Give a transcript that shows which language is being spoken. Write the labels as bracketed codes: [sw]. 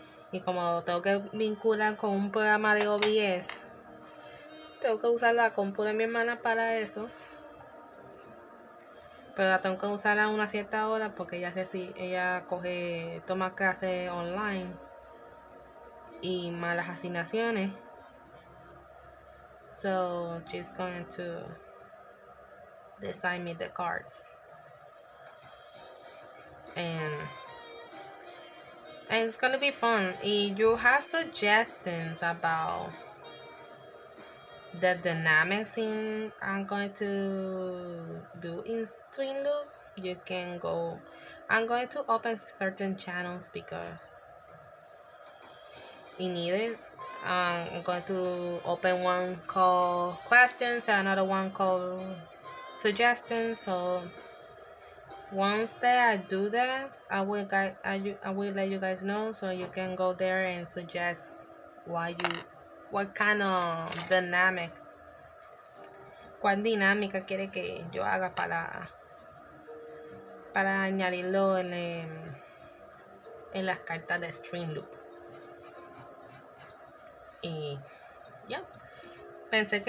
[es] Y como tengo que vincular con un programa de OBS, tengo que usar la compu de mi hermana para eso. Pero la tengo que usar a una cierta hora porque ella es decir, ella coge, toma clases online y malas asignaciones. [en] So she's going to design me the cards. And it's gonna be fun. And you have suggestions about the dynamics I'm going to do in Stream Loops, you can go. I'm going to open certain channels because it needs I'm going to open one called questions and another one called suggestions. So once that I do that, I will let you guys know, so you can go there and suggest what kind of dynamic. [es] ¿Cuál dinámica quiere que yo haga para añadirlo en las cartas de Stream Loops? Y ya. Yeah.